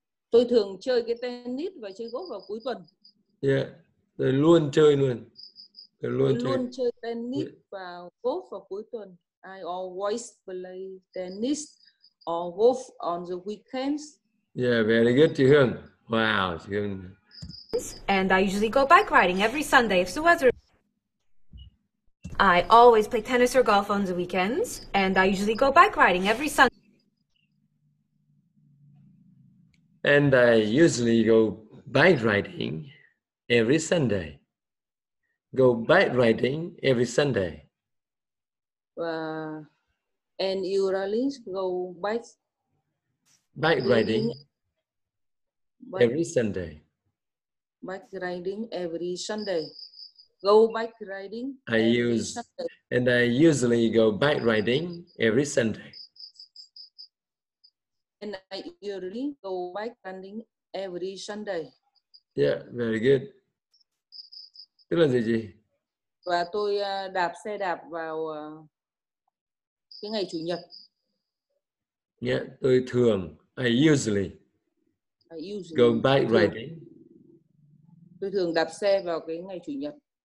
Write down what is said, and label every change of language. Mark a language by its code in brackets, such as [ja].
[vi] Tôi thường chơi cái tennis và chơi golf vào cuối tuần. Yeah. Tôi luôn chơi luôn. Tôi luôn chơi tennis và golf vào cuối tuần. [en] I always play tennis or golf on the weekends. Yeah, very good, chị Hương. Wow, chị Hương. And I usually go bike riding every Sunday if the weather. I always play tennis or golf on the weekends, and I usually go bike riding every Sunday. And I usually go bike riding every Sunday. Go bike riding every Sunday. And you really go bike riding every Sunday. Bike riding every Sunday. Go bike riding. I usually go bike riding every Sunday. And I usually go bike riding every Sunday. Yeah, very good. [vi] Tức là gì chị? Và tôi đạp xe đạp vào cái ngày chủ nhật. [en] Yeah, [vi] tôi thường [en] I usually go bike riding. [vi] Tôi thường đạp xe vào cái ngày chủ nhật.